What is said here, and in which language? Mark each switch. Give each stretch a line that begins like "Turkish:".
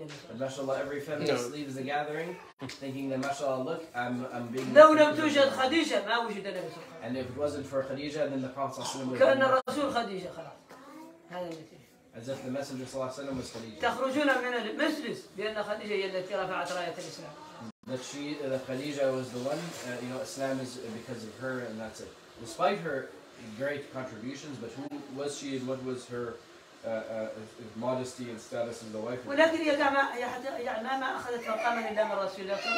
English: and mashallah, every feminist leaves the gathering thinking that, mashallah, look, I'm being... and if it wasn't for Khadija, then the Prophet would... as if the Messenger
Arabic: صلى الله عليه وسلم
English: was Khadija.
Arabic: تخرجون من المجلس بأن خديجة هي التي رفعت راية الإسلام.
English: That she, that Khadija was the one, you know, Islam is because of her, and that's it. Despite her great contributions, but who was she and what was her modesty and status as the wife?
Arabic: ولكن هي دعما هي حتى يعني ما أخذت مقاما إلا من رسول الله.